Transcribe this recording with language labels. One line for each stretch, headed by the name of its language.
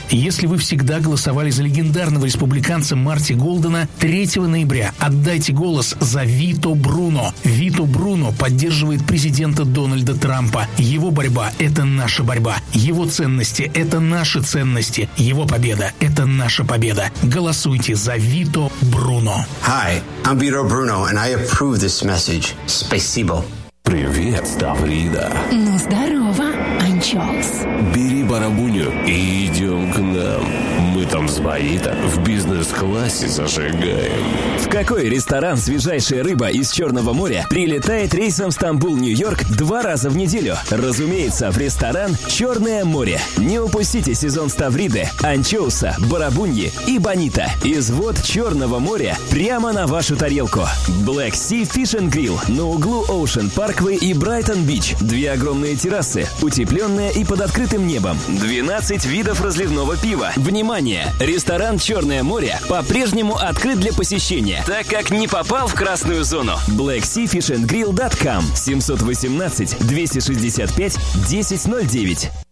Russian: Если вы всегда голосовали за легендарного республиканца Марти Голдена, 3 ноября отдайте голос за Вито Бруно. Вито Бруно поддерживает президента Дональда Трампа. Его борьба – это наша борьба. Его ценности – это наши ценности. Его победа – это наша победа. Голосуйте за Вито Бруно.
English: Hi, I'm Vito Bruno, and I approve this message.
Russian: Спасибо. Привет, Ставрида. Ну, здорово, Анчоус. Бери барабуню и идем к нам. Мы там с Боита в бизнес-классе зажигаем. В какой ресторан свежайшая рыба из Черного моря прилетает рейсом Стамбул-Нью-Йорк 2 раза в неделю? Разумеется, в ресторан «Черное море». Не упустите сезон Ставриды, Анчоуса, барабуньи и Бонита. Извод Черного моря прямо на вашу тарелку.
English: Black Sea Fish and Grill на углу Ocean Park.
Russian: Парквей и Брайтон-Бич. Две огромные террасы, утепленные и под открытым небом. 12 видов разливного пива. Внимание! Ресторан «Черное море» по-прежнему открыт для посещения, так как не попал в красную зону.
English: BlackSeaFishAndGrill.com 718-265-1009.